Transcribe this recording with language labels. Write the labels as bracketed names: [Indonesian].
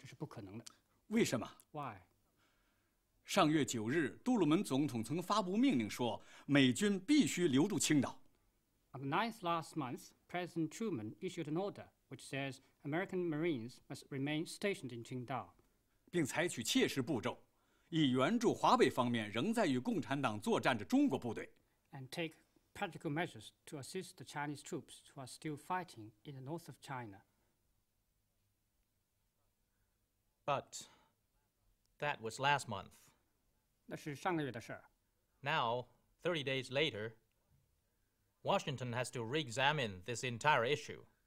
[Chinese] 我乐意向华盛顿报告总统的要求，不过我可以肯定地说这是不可能的。为什么？ [English] Why? [Chinese] 上月九日，杜鲁门总统曾发布命令说，美军必须留住青岛。 [English] On the 9th last month, President Truman issued an order which says American Marines must remain stationed in Qingdao. [Chinese] 并采取切实步骤。以援助华北方面仍在与共产党作战的中国部队。 [English] And take practical measures to assist the Chinese troops who are still fighting in the north of China. But that was last month. [Chinese] 那是上个月的事。 [English] Now, 30 days later, Washington has to re-examine this entire issue.